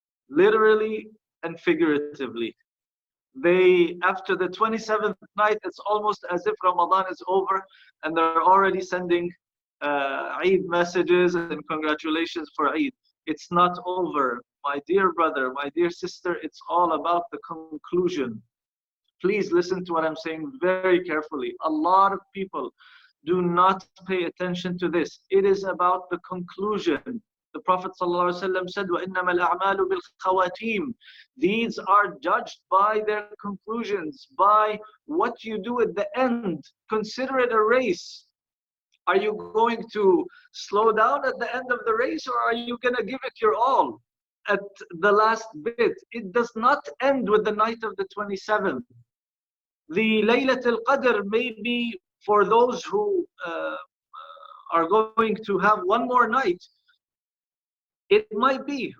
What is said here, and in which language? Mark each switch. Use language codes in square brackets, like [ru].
[en] Literally and figuratively. After the 27th night, it's almost as if Ramadan is over and they're already sending Eid messages and congratulations for Eid. It's not over. My dear brother, my dear sister, it's all about the conclusion. Please listen to what I'm saying very carefully. A lot of people do not pay attention to this. It is about the conclusion. The Prophet ﷺ said, [ar] وَإِنَّمَا الْأَعْمَالُ بِالْخَوَاتِيمِ. [en] These are judged by their conclusions, by what you do at the end. Consider it a race. Are you going to slow down at the end of the race, or are you going to give it your all at the last bit? It does not end with the night of the 27th. The Laylatul Qadr may be for those who are going to have one more night. It might be.